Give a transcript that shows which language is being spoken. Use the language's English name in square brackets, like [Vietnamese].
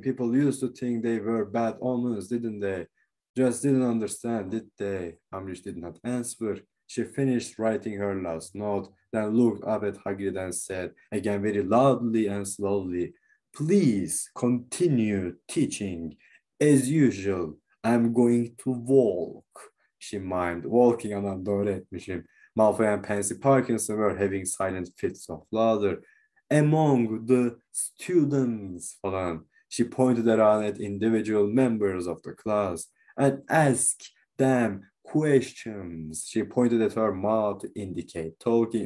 [English] People used to think they were bad omens, didn't they? Just didn't understand, did they? Umbridge did not answer. She finished writing her last note, then looked up at Hagrid and said, again very loudly and slowly, please continue teaching. As usual, I'm going to walk. She mimed, walking, [Turkish] anam doğru etmişim. [English] Malfoy and Pansy Parkinson were having silent fits of laughter. Among the students, falan. She pointed around at individual members of the class. And ask them questions. She pointed at her mouth to indicate talking.